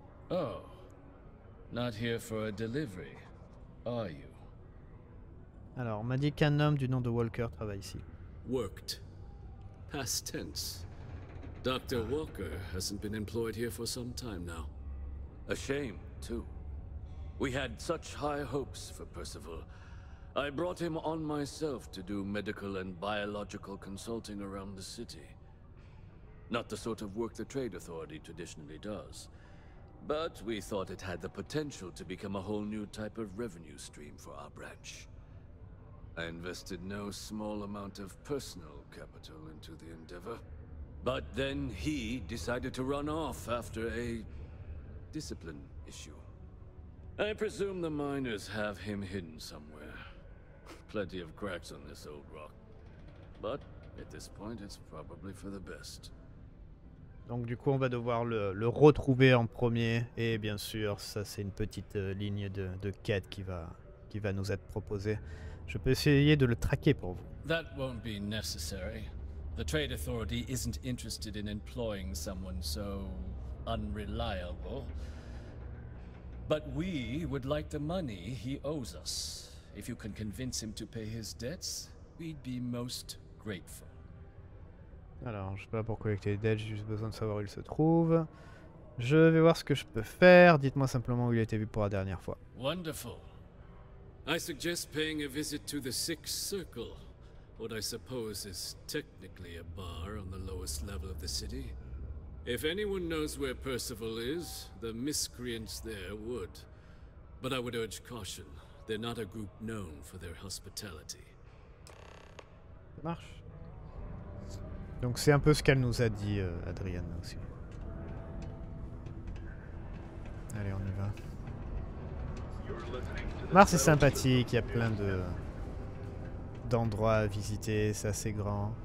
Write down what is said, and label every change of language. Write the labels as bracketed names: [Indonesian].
[English] Oh, not here for a delivery, are you? [French] Alors, on m'a dit qu'un homme du nom de Walker travaille ici. [English] Worked. Past tense. Dr. Walker hasn't been employed here for some time now. A shame, too. We had such high hopes for Percival. I brought him on myself to do medical and biological consulting around the city. Not the sort of work the Trade Authority traditionally does. But we thought it had the potential to become a whole new type of revenue stream for our branch. I invested no small amount of personal capital into the endeavor. But then he decided to run off after a discipline issue. I presume the miners have him hidden somewhere. Plenty of cracks on this old rock. But at this point, it's probably for the best. [French] Donc du coup, on va devoir le retrouver en premier. Et bien sûr, ça c'est une petite ligne de quête qui va nous être proposée. Je peux essayer de le traquer pour vous. [English] That won't be necessary. The Trade Authority isn't interested in employing someone so unreliable. But we would like the money he owes us. If you can convince him to pay his debts, we'd be most grateful. [French] Alors, je ne sais pas pour collecter les dettes, j'ai juste besoin de savoir où il se trouve. Je vais voir ce que je peux faire. Dites-moi simplement où il a été vu pour la dernière fois. [English] Wonderful. I suggest paying a visit to the Sixth Circle. What I suppose is technically a bar on the lowest level of the city. If anyone knows where Percival is, the miscreants there would. But I would urge caution. They're not a group known for their hospitality. [French] Ça marche. Donc c'est un peu ce qu'elle nous a dit, Adrienne, aussi. Allez, on y va. Mars est sympathique, il y a plein d'endroits à visiter, c'est assez grand.